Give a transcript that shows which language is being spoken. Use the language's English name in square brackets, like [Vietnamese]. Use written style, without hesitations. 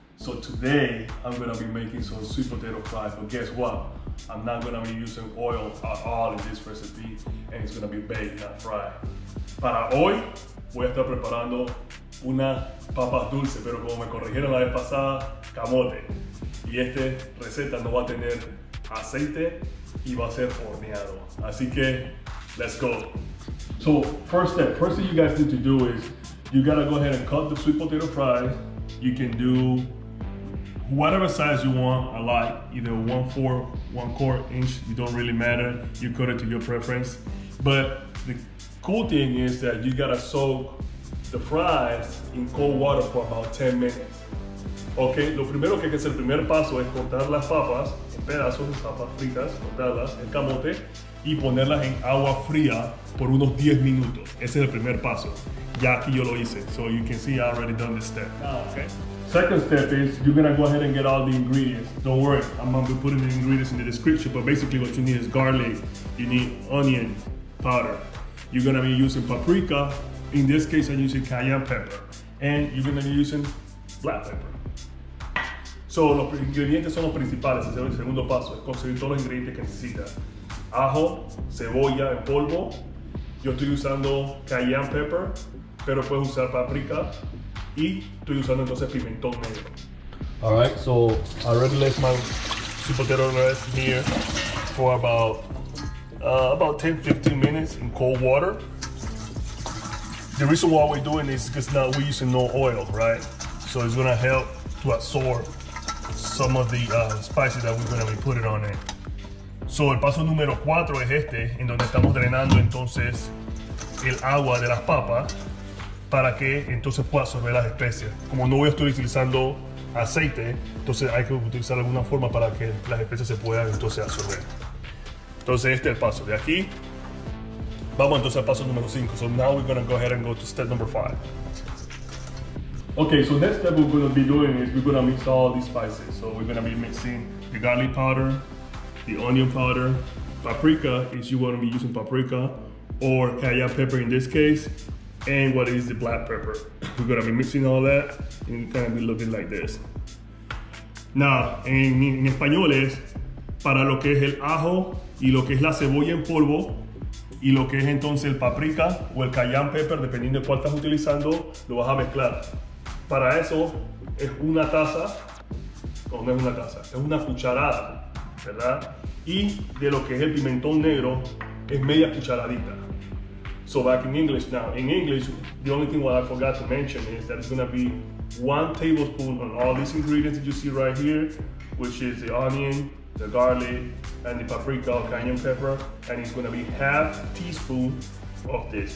[English] So today, I'm gonna be making some sweet potato fries, but guess what? I'm not gonna be using oil at all in this recipe, and it's gonna be baked, not fried. [Spanish] Para hoy, voy a estar preparando una papa dulce, pero como me corrigieron la vez pasada, camote. Y esta receta no va a tener aceite y va a ser horneado. Así que, [English] let's go. So first step, first thing you guys need to do is you gotta go ahead and cut the sweet potato fries. You can do whatever size you want. I like either 1/4, 1/4 inch. It don't really matter. You cut it to your preference. But the cool thing is that you gotta soak the fries in cold water for about 10 minutes. [Spanish] Okay, lo primero que hay que hacer, el primer paso es cortar las papas en pedazos, las papas fritas, cortarlas, el camote, y ponerlas en agua fría por unos 10 minutos. Ese es el primer paso. Ya aquí yo lo hice. [English] So you can see I already done this step. Okay. Second step is you're gonna go ahead and get all the ingredients. Don't worry, I'm gonna be putting the ingredients in the description, but basically what you need is garlic, you need onion powder. You're gonna be using paprika. In this case, I'm using cayenne pepper. And you're gonna be using black pepper. [Spanish] So los ingredientes son los principales. Ese es el segundo paso, es conseguir todos los ingredientes que necesitas. Ajo, cebolla en polvo. Yo estoy usando cayenne pepper, pero puedes usar paprika. Y estoy usando entonces pimentón negro. [English] All right, so I already left my sweet potato fries here for about 10-15 minutes in cold water. The reason why we're doing this is because now we're using no oil, right? So it's gonna help to absorb some of the spices that we're gonna be putting on it. [Spanish] So el paso número 4 es este, en donde estamos drenando entonces el agua de las papas para que entonces pueda absorber las especias. Como no voy a estar utilizando aceite, entonces hay que utilizar alguna forma para que las especias se puedan entonces absorber. Entonces este es el paso de aquí. Vamos entonces al paso número 5. [English] So now we're gonna go ahead and go to step number 5. Okay, so next step we're gonna be doing is we're gonna mix all these spices. So we're gonna be mixing the garlic powder, the onion powder, paprika, if you wanna be using paprika, or cayenne pepper in this case, and what is the black pepper. We're gonna be mixing all that, and it's gonna be looking like this. [Spanish] Now, en español es, para lo que es el ajo, y lo que es la cebolla en polvo, y lo que es entonces el paprika, o el cayenne pepper, dependiendo de cuál estás utilizando, lo vas a mezclar. Para eso, es una taza, o no es una taza, es una cucharada, ¿verdad? Y de lo que es el pimentón negro, es media cucharadita. [English] So back in English now. In English, the only thing what I forgot to mention is that it's gonna be 1 tablespoon on all these ingredients that you see right here, which is the onion, the garlic, and the paprika or cayenne pepper, and it's gonna be 1/2 teaspoon of this.